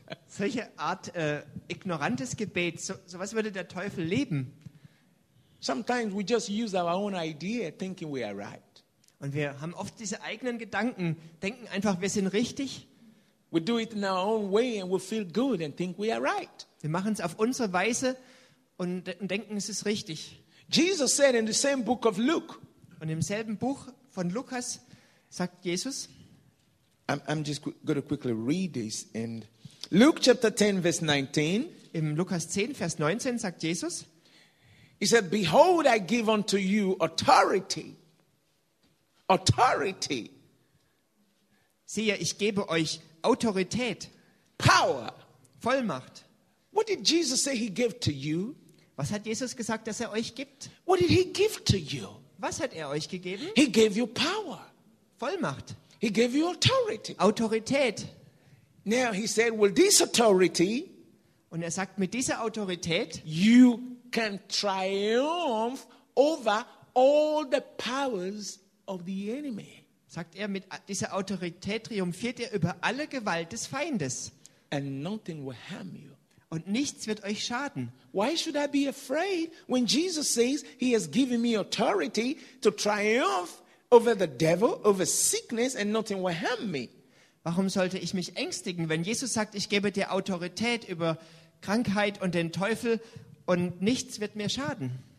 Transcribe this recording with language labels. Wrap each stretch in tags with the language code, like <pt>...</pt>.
<de>Solche Art ignorantes Gebet, sowas würde der Teufel lieben.</de> <en>Sometimes we just use our own idea, thinking we are right.</en> <de>Und wir haben oft diese eigenen Gedanken, denken einfach, wir sind richtig.</de> <en>We do it in our own way and we feel good and think we are right.</en> <de>Wir machen es auf unsere Weise und denken, es ist richtig.</de> <en>Jesus said in the same book of Luke.</en> <de>Und im selben Buch von Lukas sagt Jesus.</de> <en>I'm just going to quickly read this. And Luke chapter 10 verse 19.</en> <de>Im Lukas 10 Vers 19 sagt Jesus.</de> <en>He said, "Behold, I give unto you authority, authority.</en> <de>Siehe, ich gebe euch Autorität,</de> <en>Power,</en> <de>Vollmacht.</de> <en>What did Jesus say he gave to you?</en> <de>Was hat Jesus gesagt, dass er euch gibt?</de> <en>What did he give to you?</en> <de>Was hat er euch gegeben?</de> <en>He gave you power.</en> <de>Vollmacht.</de> <en>He gave you authority.</en> <de>Autorität.</de> <en>Now he said, "Well, this authority."</en> <de>Und er sagt, mit dieser Autorität,</de> <en>you can triumph over all the powers of the enemy.</en> <de>Sagt er, mit dieser Autorität triumphiert er über alle Gewalt des Feindes.</de> <en>And nothing will harm you.</en> <de>Und nichts wird euch schaden.</de> <en>Why should I be afraid when Jesus says he has given me authority to triumph over the devil, over sickness, and nothing will harm me?</en> <de>Warum sollte ich mich ängstigen, wenn Jesus sagt, ich gebe dir Autorität über Krankheit und den Teufel und nichts wird mir schaden?</de>